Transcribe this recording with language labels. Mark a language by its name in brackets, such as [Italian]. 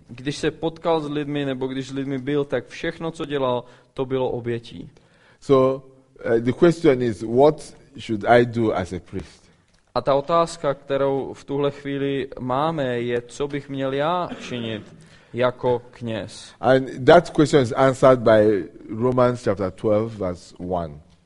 [Czech] Když se potkal s lidmi nebo když s lidmi byl, tak všechno, co dělal, to bylo obětí. [English] So the question is, what should I do as a priest? [Czech] A ta otázka, kterou v tuhle chvíli máme, je, co bych měl já činit jako kněz. [English] And that question is answered by Romans chapter 12 verse 1.